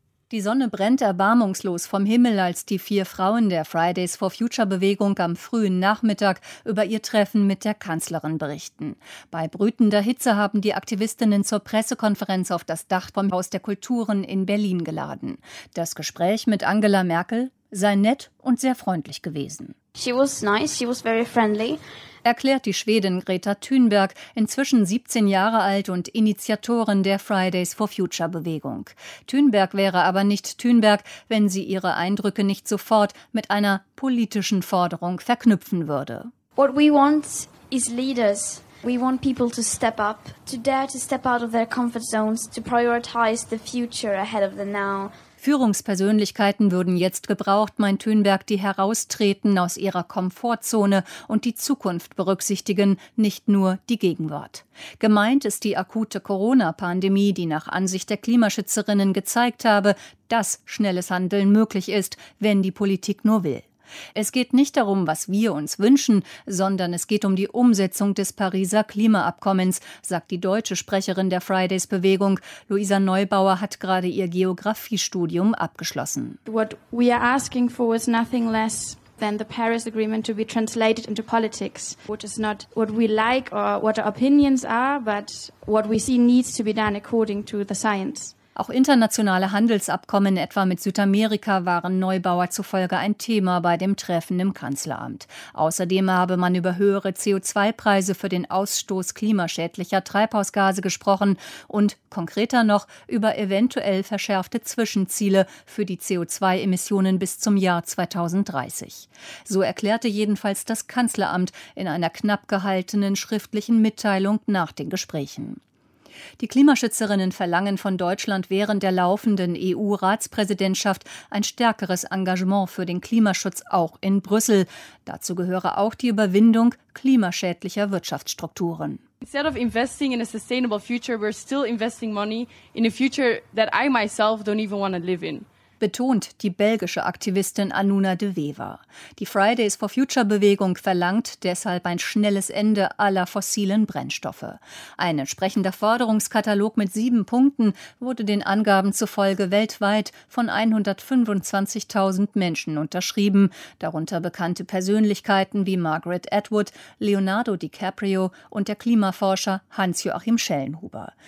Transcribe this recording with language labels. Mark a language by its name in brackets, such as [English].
[German] Die Sonne brennt erbarmungslos vom Himmel, als die vier Frauen der Fridays for Future-Bewegung am frühen Nachmittag über ihr Treffen mit der Kanzlerin berichten. Bei brütender Hitze haben die Aktivistinnen zur Pressekonferenz auf das Dach vom Haus der Kulturen in Berlin geladen. Das Gespräch mit Angela Merkel sei nett und sehr freundlich gewesen. [English] She was nice, she was very friendly. [German] Erklärt die Schwedin Greta Thunberg, inzwischen 17 Jahre alt und Initiatorin der Fridays for Future-Bewegung. Thunberg wäre aber nicht Thunberg, wenn sie ihre Eindrücke nicht sofort mit einer politischen Forderung verknüpfen würde. [English] What we want is leaders. We want people to step up, to dare to step out of their comfort zones, to prioritize the future ahead of the now. [German] Führungspersönlichkeiten würden jetzt gebraucht, meint Thunberg, die heraustreten aus ihrer Komfortzone und die Zukunft berücksichtigen, nicht nur die Gegenwart. Gemeint ist die akute Corona-Pandemie, die nach Ansicht der Klimaschützerinnen gezeigt habe, dass schnelles Handeln möglich ist, wenn die Politik nur will. Es geht nicht darum, was wir uns wünschen, sondern es geht um die Umsetzung des Pariser Klimaabkommens, sagt die deutsche Sprecherin der Fridays-Bewegung. Luisa Neubauer hat gerade ihr Geographiestudium abgeschlossen. [English] What we are asking for is nothing less than the Paris Agreement to be translated into politics, which is not what we like or what our opinions are, but what we see needs to be done according to the science. [German] Auch internationale Handelsabkommen, etwa mit Südamerika, waren Neubauer zufolge ein Thema bei dem Treffen im Kanzleramt. Außerdem habe man über höhere CO2-Preise für den Ausstoß klimaschädlicher Treibhausgase gesprochen und konkreter noch über eventuell verschärfte Zwischenziele für die CO2-Emissionen bis zum Jahr 2030. So erklärte jedenfalls das Kanzleramt in einer knapp gehaltenen schriftlichen Mitteilung nach den Gesprächen. Die Klimaschützerinnen verlangen von Deutschland während der laufenden EU-Ratspräsidentschaft ein stärkeres Engagement für den Klimaschutz auch in Brüssel. Dazu gehöre auch die Überwindung klimaschädlicher Wirtschaftsstrukturen. [English] Instead of investing in a sustainable future, we're still investing money in a future that I myself don't even want to live in. [German] Betont die belgische Aktivistin Anouna de Wever. Die Fridays for Future-Bewegung verlangt deshalb ein schnelles Ende aller fossilen Brennstoffe. Ein entsprechender Forderungskatalog mit 7 Punkten wurde den Angaben zufolge weltweit von 125.000 Menschen unterschrieben, darunter bekannte Persönlichkeiten wie Margaret Atwood, Leonardo DiCaprio und der Klimaforscher Hans-Joachim Schellenhuber.